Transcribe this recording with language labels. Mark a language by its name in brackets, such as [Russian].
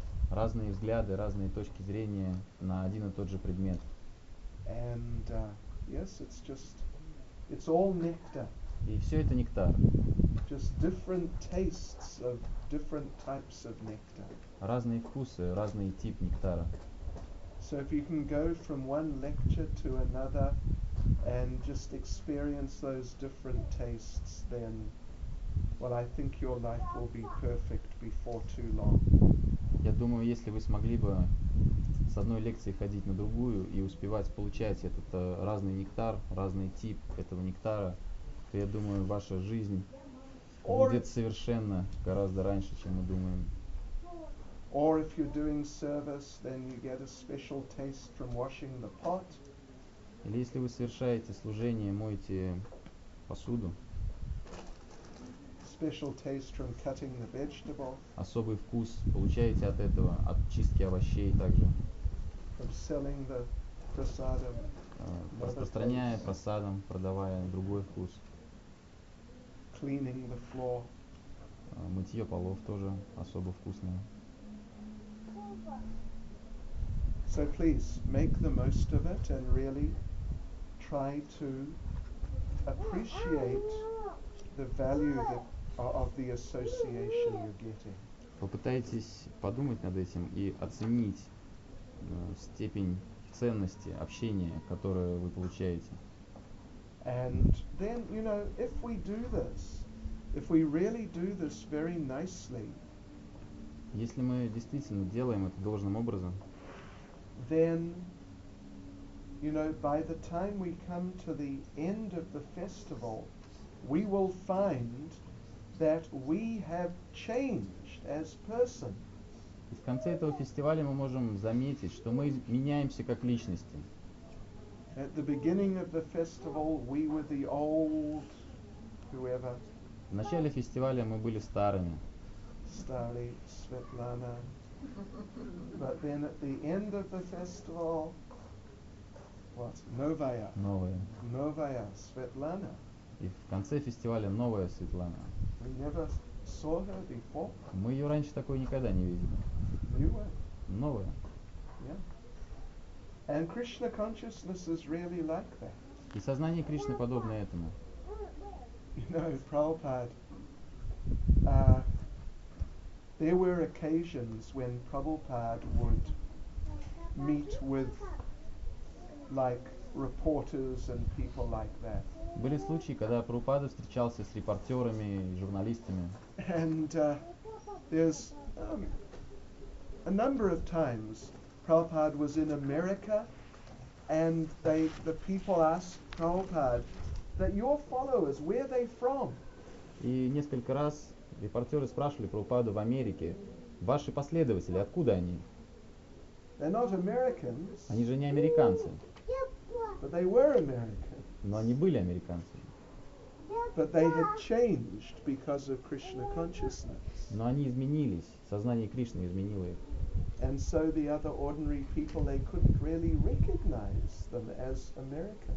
[Russian] Разные взгляды, разные точки зрения на один и тот же предмет. [English] And yes, it's just, it's all nectar. [Russian] И все это нектар. [English] Just different tastes of different types of nectar. [Russian] Разные вкусы, разный тип нектара. [English] So if you can go from one lecture to another and just experience those different tastes, then, well, I think your life will be perfect before too long. [Russian] Я думаю, если вы смогли бы с одной лекции ходить на другую и успевать получать этот разный нектар, разный тип этого нектара, то я думаю, ваша жизнь будет совершенно гораздо раньше, чем мы думаем. [English] Or if you're doing service, then you get a special taste from washing the pot. [Russian] Или если вы совершаете служение, моете посуду. [English] Special taste from cutting the vegetable. [Russian] Особый вкус получаете от этого, от чистки овощей также. [English] From selling the prasadam. [Russian] Распространяя прасадам, продавая другой вкус. [English] Cleaning the floor. [Russian] Мытье полов тоже особо вкусное. [English] So please make the most of it and really try to appreciate the value that of the association you're getting. [Russian] Попытайтесь подумать над этим и оценить степень ценности общения, которое вы получаете. [English] And then, you know, if we do this, if we really do this very nicely, [Russian] если мы действительно делаем это должным образом, [English] then, you know, by the time we come to the end of the festival, we will find that we have changed as person. [Russian] И в конце этого фестиваля мы можем заметить, что мы меняемся как личности. [English] At the beginning of the festival, we were the old whoever. [Russian] В начале фестиваля мы были старыми. Старый Светлана. [English] But then at the end of the festival, what? [Russian] Новая. Новая. Новая Светлана. И в конце фестиваля новая Светлана. [English] We never saw her before. [Russian] Мы ее раньше такой никогда не видели. [English] New one. [Russian] Новая. [English] Yeah. And Krishna consciousness is really like that. [Russian] И сознание Кришны подобно этому. [English] You know, Prabhupada, there were occasions when Prabhupada would meet with like reporters and people like that. [Russian] Были случаи, когда Прабхупада встречался с репортерами и журналистами. [English] And there's a number of times Prabhupada was in America, and the people asked Prabhupada, that your followers, where are they from? [Russian] И несколько раз репортеры спрашивали Прабхупаду в Америке: ваши последователи, откуда они? [English] They're not Americans. [Russian] Они же не американцы. [English] But they were American. [Russian] Но они были американцами. [English] But they had changed because of Krishna consciousness. [Russian] Но они изменились, сознание Кришны изменило их. [English] And so the other ordinary people, they couldn't really recognize them as Americans.